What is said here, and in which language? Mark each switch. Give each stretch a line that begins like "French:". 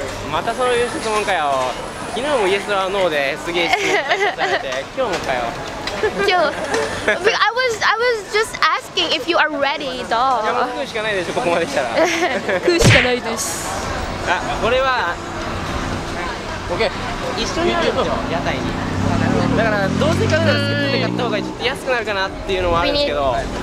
Japanese: またそういう質問かよ。昨日もイエスはノーですげえ質問されて、今日もかよ。今日、
English: I was just asking if you are ready, dog.
Japanese: いや、食うしかないでしょ、ここまで来たら。食うしかないです。あ、これは、OK。一緒にあるの、屋台に。だから、どうせ買うなら作って買った方がちょっと安くなるかなっていうのはあるんですけど。